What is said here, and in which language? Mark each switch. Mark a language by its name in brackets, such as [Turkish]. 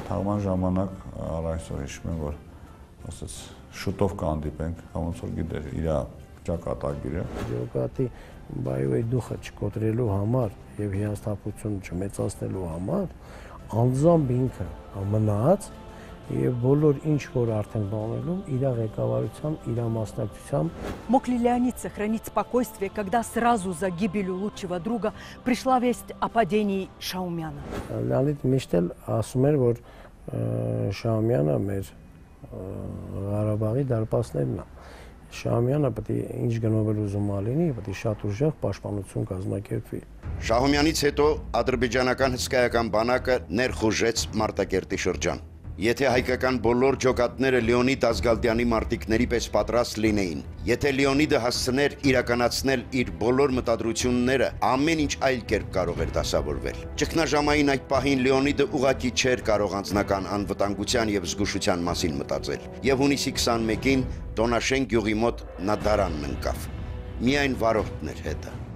[Armenian] Թաղման ժամանակ առայսօր հիշում եմ, որ ասես շուտով կհանդիպենք, ոնց որ գիտեր իր ճակատագիրը։ Ջոկատի բայուի դուխը չկոտրելու համար եւ հիասթափություն չմեծացնելու համար անձամբ ինքը մնաց եւ բոլոր ինչ որ արդեն բանելում իր ղեկավարությամբ, իր մասնակցությամբ։ [Russian] Мог ли Леонид сохранить спокойствие, когда сразу за гибелью лучшего друга пришла весть о падении Шаумяна? [Armenian] Леонид Миштел ասում էր, որ Շաումյանը մեր Ղարաբաղի դարպասներն է։ Շահումյանը պետք է ինչ գնովել ուզում ալինի, պետք է շատ ուժեղ պաշտպանություն կազմակերպի։ Շահումյանից հետո ադրբեջանական հսկայական բանակը ներխուժեց Մարտակերտի շրջան։ Եթե հայկական բոլոր ջոկատները Լեոնիդ Ազգալդյանի մարտիկների պես պատրաստ լինեին, եթե Լեոնիդը հասցներ իրականացնել իր բոլոր մտադրությունները, ամեն ինչ այլ կերպ կարող էր դասավորվել։ Ճգնաժամային այդ պահին Լեոնիդը ուղղակի չէր կարող անձնական անվտանգության և զգուշության մասին մտածել։ Եվ հունիսի 21-ին Տոնաշեն գյուղի մոտ նա դարանն ընկավ։ Միայն վարորդն էր հետը։